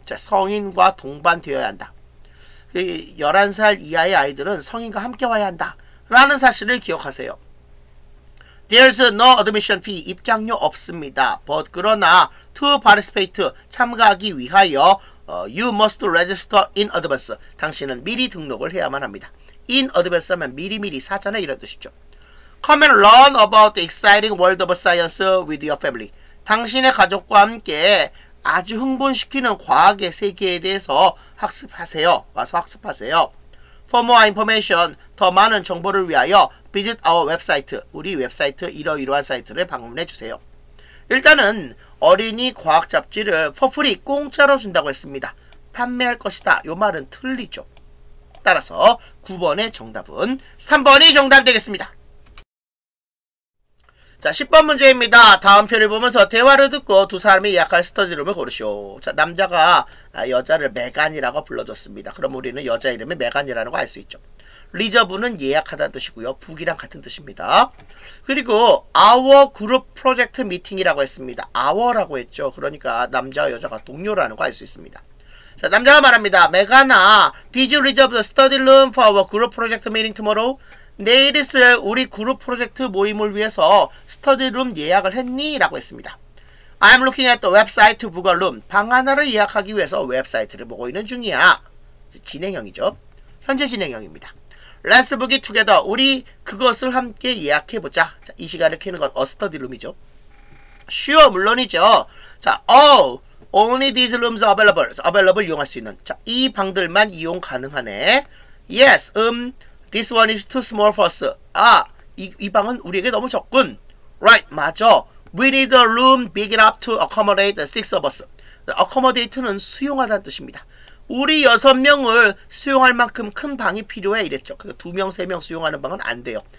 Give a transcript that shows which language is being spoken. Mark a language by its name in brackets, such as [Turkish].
[Korean] 자, 성인과 동반되어야 한다. 11살 이하의 아이들은 성인과 함께 와야 한다. 라는 사실을 기억하세요. [English] There's no admission fee. [Korean] 입장료 없습니다. [English] But [Korean] 그러나 [English] to participate, [Korean] 참가하기 위하여 [English] you must register in advance. [Korean] 당신은 미리 등록을 해야만 합니다. In advance 하면 미리미리 사전에 이런 뜻이죠. [English] Come and learn about the exciting world of science with your family. [Korean] 당신의 가족과 함께 아주 흥분시키는 과학의 세계에 대해서 학습하세요. 와서 학습하세요. [English] For more information, [Korean] 더 많은 정보를 위하여 [English] visit our website, [Korean] 우리 웹사이트 이러이러한 사이트를 방문해 주세요. 일단은 어린이 과학 잡지를 for free, 공짜로 준다고 했습니다. 판매할 것이다. 요 말은 틀리죠. 따라서 9번의 정답은 3번이 정답 되겠습니다. 자, 10번 문제입니다. 다음 편을 보면서 대화를 듣고 두 사람이 예약할 스터디룸을 고르시오. 자, 남자가 여자를 메간이라고 불러줬습니다. 그럼 우리는 여자 이름이 메간이라는 거 알 수 있죠. 리저브는 예약하다는 뜻이고요. 북이랑 같은 뜻입니다. 그리고 [English] our group project meeting [Korean] 이라고 했습니다. our라고 했죠. 그러니까 남자와 여자가 동료라는 거 알 수 있습니다. 자, 남자가 말합니다. [English] 메가나, did you reserve the study room for our group project meeting tomorrow? [Korean] 내일 있을 우리 그룹 프로젝트 모임을 위해서 스터디룸 예약을 했니? 라고 했습니다. [English] I'm looking at the website to book a room. [Korean] 방 하나를 예약하기 위해서 웹사이트를 보고 있는 중이야. 진행형이죠. 현재 진행형입니다. [English] Let's book it together. [Korean] 우리 그것을 함께 예약해보자. 자, 이 시간을 키는 건 a study room이죠. [English] Sure, [Korean] 물론이죠. 자, [English] only these rooms available. [Korean] available 이용할 수 있는. 자, 이 방들만 이용 가능하네. [English] Yes, this one is too small for us. [Korean] 아, 이 방은 우리에게 너무 적군. [English] Right, [Korean] 맞아. [English] We need a room big enough to accommodate six of us. [Korean] accommodate는 수용하다는 뜻입니다. 우리 여섯 명을 수용할 만큼 큰 방이 필요해. 이랬죠. 그러니까 두 명, 세 명 수용하는 방은 안 돼요.